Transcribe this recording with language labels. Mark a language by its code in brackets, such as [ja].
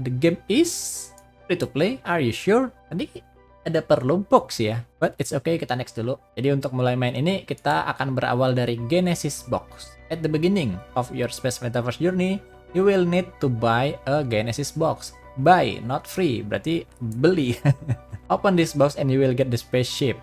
[en] The game is free to play, are you sure? [id] Nanti ada perlu box ya, [en] but it's okay, [id] kita next dulu. Jadi untuk mulai main ini, kita akan berawal dari Genesis Box. [en] At the beginning of your space metaverse journey, you will need to buy a Genesis Box. Buy, not free, [id] berarti beli. [en] Open this box and you will get the spaceship.